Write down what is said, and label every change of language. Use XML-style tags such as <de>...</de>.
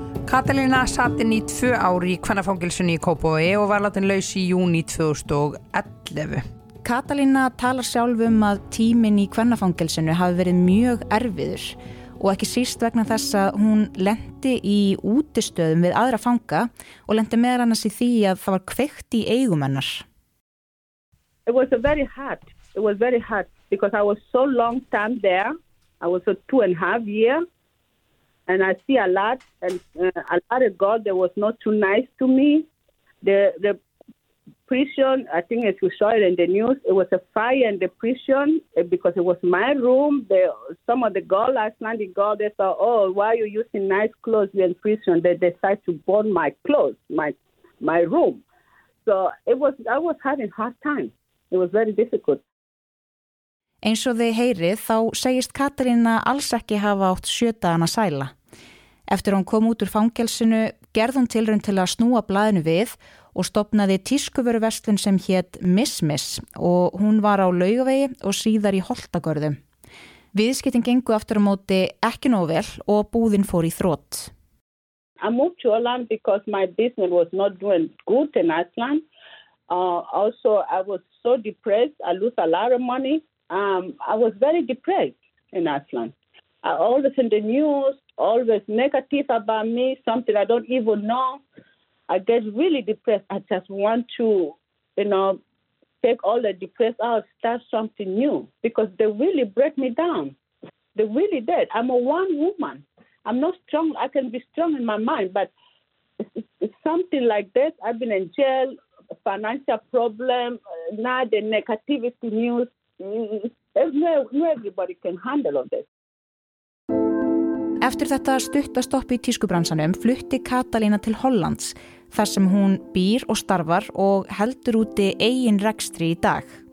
<is>Katalína sat inn í 2 ár í kvennafangelsinu í Kópavogi og var látin laus í júní 2011. Katalína talar sjálf að tíminn í kvennafangelsinu hafi verið mjög erfiður og ekki síst vegna þess að hún lenti í útistöðum við aðra fanga og lenti meðal annars í því að það var kveikt í eigum hennar.</is> <en>It was very hard. It was very hard because I was so long time there. I was 2.5 years. And I see a lot, and a lot of God, they was not too nice to me. The prison, I think as you saw it in the news, it was a fire in the prison because it was my room. Some of the girls, Icelandic girls, they thought, oh, why are you using nice clothes in prison? They decided to burn my clothes, my room. So I was having a hard time. It was very difficult.</en> <is>Eins og þið heyrið þá segist Katalína alls ekki hafa átt 7 dagana sæla. Eftir hún kom út úr fangelsinu gerði hún tilraun til að snúa blaðinu við og stopnaði tískuvöruverslun sem hét Miss og hún var á Laugavegi og síðar í Holtagörðum. Viðskiptin gengu aftur á móti ekki nóg vel og búðin fór í þrótt.</is> <en>I moved to Holland because my business was not doing good in Iceland. Also I was so depressed, I lose a lot of money. I was very depressed in Iceland. I always in the news, always negative about me, something I don't even know. I get really depressed. I just want to, you know, take all the depressed out, start something new. Because they really break me down. They really did. I'm a one woman. I'm not strong. I can be strong in my mind, but it's something like that. I've been in jail, financial problem, now the negativity news. No, everybody can handle all this.</en> <is>Eftir þetta stuttastopp í tískubransanum flutti Katalína til Hollands, þar sem hún býr og starfar og heldur úti eigin rekstri í dag.</is>